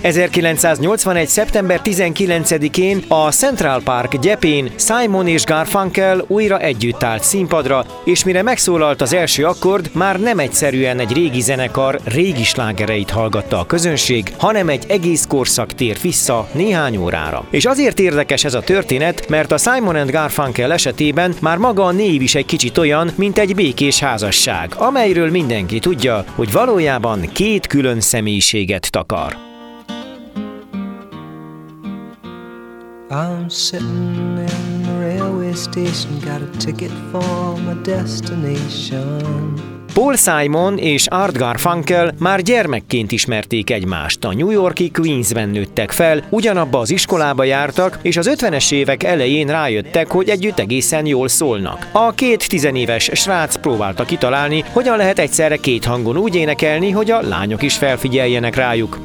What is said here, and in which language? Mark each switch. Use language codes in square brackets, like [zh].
[hu] 1981. szeptember 19-én a Central Park gyepén Simon és Garfunkel újra együtt állt színpadra, és mire megszólalt az első akkord, már nem egyszerűen egy régi zenekar régi slágereit hallgatta a közönség, hanem egy egész korszak tér vissza néhány órára. És azért érdekes ez a történet, mert a Simon & Garfunkel esetében már maga a név is egy kicsit olyan, mint egy békés házasság, amelyről mindenki tudja, hogy valójában két külön személyiséget takar. [en] I'm sitting in the railway station, got a ticket for my destination. [hu] Paul Simon és Art Garfunkel már gyermekként ismerték egymást, a New York-i Queensben nőttek fel, ugyanabba az iskolába jártak, és az 50-es évek elején rájöttek, hogy együtt egészen jól szólnak. A két tizenéves srác próbálta kitalálni, hogyan lehet egyszerre két hangon úgy énekelni, hogy a lányok is felfigyeljenek rájuk.